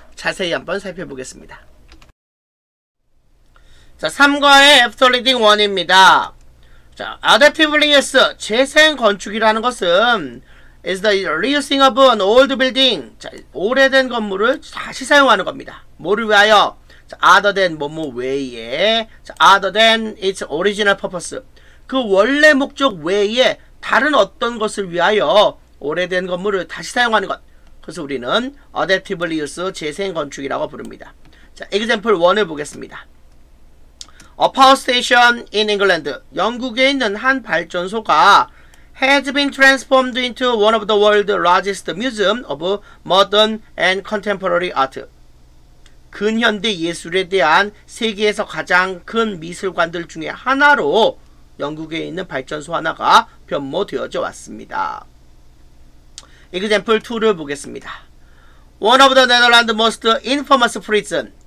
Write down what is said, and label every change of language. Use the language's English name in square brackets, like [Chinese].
[Korean] 자세히 한번 살펴보겠습니다. [English] 자, 3과의 After Reading 1입니다. 자, Adaptive Reuse, [Korean] 재생건축이라는 것은 [English] is the reusing of an old building. [Korean] 자, 오래된 건물을 다시 사용하는 겁니다. 뭐를 위하여? 자, other than 뭐뭐 외에, 자, [English] other than its original purpose. [Korean] 그 원래 목적 외에 다른 어떤 것을 위하여 오래된 건물을 다시 사용하는 것. 그래서 우리는 adaptive reuse, 재생건축이라고 부릅니다. [English] 자, example [Korean] 1을 보겠습니다. [English] A power station in England. [Korean] 영국에 있는 한 발전소가 [English] has been transformed into one of the world's largest museum of modern and contemporary art. [Korean] 근현대 예술에 대한 세계에서 가장 큰 미술관들 중에 하나로 영국에 있는 발전소 하나가 변모되어져 왔습니다. [English] Example [Korean] 2를 보겠습니다. [English] One of the Netherlands most infamous prison.